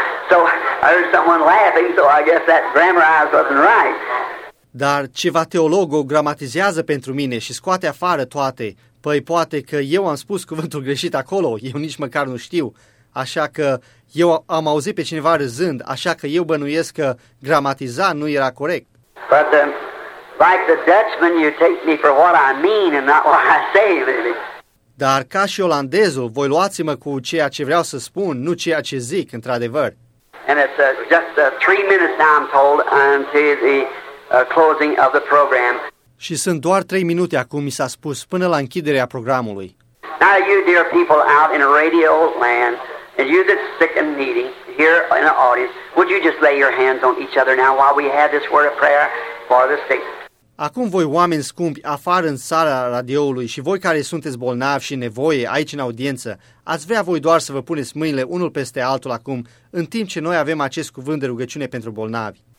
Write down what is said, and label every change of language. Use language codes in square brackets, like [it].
[en] So I heard someone laughing, so I guess that grammarized wasn't right. [ro] Dar ceva teolog o gramatizează pentru mine și scoate afară toate. Păi poate că eu am spus cuvântul greșit acolo, eu nici măcar nu știu. Așa că eu am auzit pe cineva râzând, așa că eu bănuiesc că gramatiza nu era corect. [en] But like the Dutchman, you take me for what I mean and not what I say, really. [ro] Dar ca și olandezul, voi luați-mă cu ceea ce vreau să spun, nu ceea ce zic, într-adevăr. [en] And it's just 3 minutes now, I'm told, until the... closing of the program. [ro] Și sunt doar 3 minute acum, mi s-a spus, până la închiderea programului. [en] Now you dear people out in a radio land, and you that's sick and needy here in the audience, would you just lay your hands on each other now while we have this word of prayer for the sick? [ro] Acum voi oameni scumpi afară în sala radioului și voi care sunteți bolnavi și nevoie aici în audiență, ați vrea voi doar să vă puneți mâinile unul peste altul acum, în timp ce noi avem acest cuvânt de rugăciune pentru bolnavi.